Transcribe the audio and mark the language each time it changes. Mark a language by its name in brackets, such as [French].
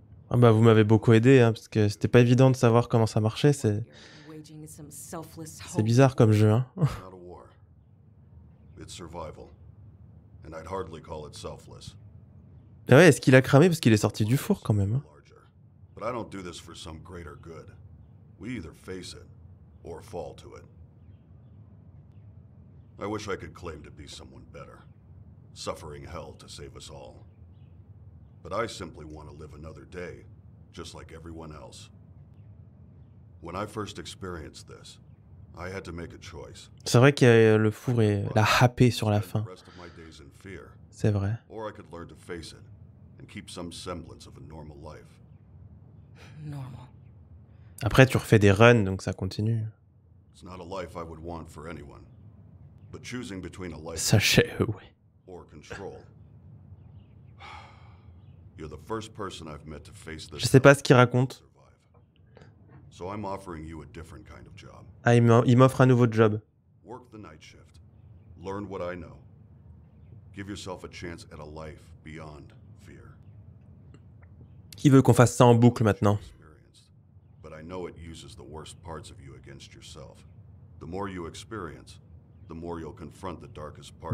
[French] Ah bah vous m'avez beaucoup aidé, hein, parce que c'était pas évident de savoir comment ça marchait. C'est bizarre comme jeu, hein. [English] It's not a war. It's survival. And I'd hardly call it selfless. [French] Ah ouais, est-ce qu'il a cramé parce qu'il est sorti du four quand même, hein? [English] But I don't do this for some greater good. We either face it or fall to it. I wish I could claim to be someone better, suffering hell to save us all. But I simply want to live another day, just like everyone else. When I first experienced this, I had to make a choice. [French] C'est vrai que le four est la happée sur la fin. C'est vrai. [English] Or I could learn to face it and keep some semblance of a normal life. Normal. [French] Après, tu refais des runs, donc ça continue. [English] It's not a life I would want for anyone. But choosing between a life [French] Sachez, oui. [English] Or control. You're the first person I've met to face this. [French] Je sais pas ce qu'il raconte. [English] So I'm offering you a different kind of job. [French] Ah, il m'offre un nouveau job. [English] Work the night shift. Learn what I know. Give yourself a chance at a life beyond. [French] Qui veut qu'on fasse ça en boucle maintenant? [English] But I know it uses the worst parts of you against yourself. The more you experience, the more you'll confront the darkest part of